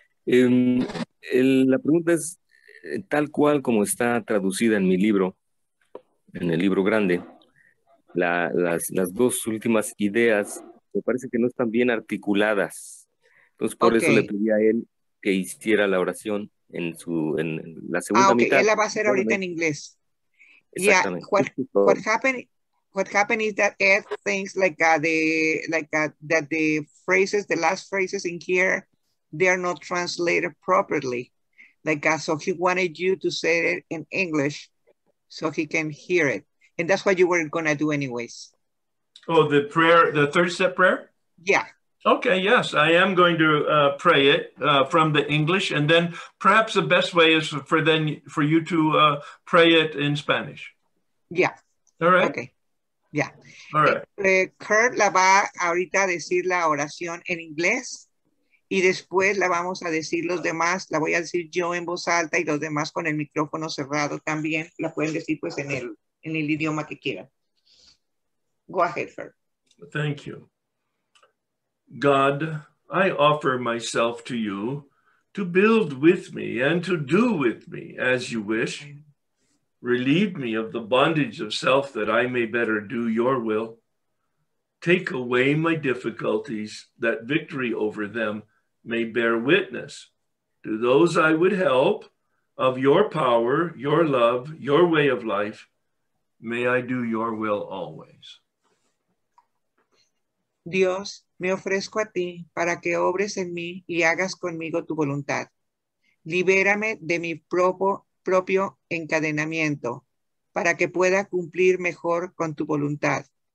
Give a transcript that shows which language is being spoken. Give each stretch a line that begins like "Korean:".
Spanish: La pregunta es tal cual como está traducida en mi libro, en el libro grande. Las dos últimas ideas me parece que no están bien articuladas. Entonces, por eso le pedí a él que hiciera la oración en la segunda mitad. Él la va a hacer ahorita en inglés. Exactamente.
English: Yeah, what happened is that Ed thinks that the phrases, the last phrases in here, they are not translated properly. So he wanted you to say it in English so he can hear it. And that's what you were going to do anyways. Oh, the prayer, the third step prayer? Yeah. Okay, yes, I am going to pray it from the English. And then perhaps the best way is for you to pray it in Spanish. Yeah. All right. Okay. Yeah. All right.
Spanish: Kurt la va ahorita a decir la oración en inglés. Y después la vamos a decir los demás. La voy a decir yo en voz alta y los demás con el micrófono cerrado también. La pueden decir pues en el idioma que quieran.
English: Go ahead, Fer. Thank you. God, I offer myself to you to build with me and to do with me as you wish. Relieve me of the bondage of self that I may better do your will. Take away my difficulties that victory over them may bear witness to those I would help of your power, your love, your way of life. May I do your will always.
Spanish: Dios, me ofrezco a ti para que obres en mí y hagas conmigo tu voluntad. Libérame de mi propio encadenamiento para que pueda cumplir mejor con tu voluntad.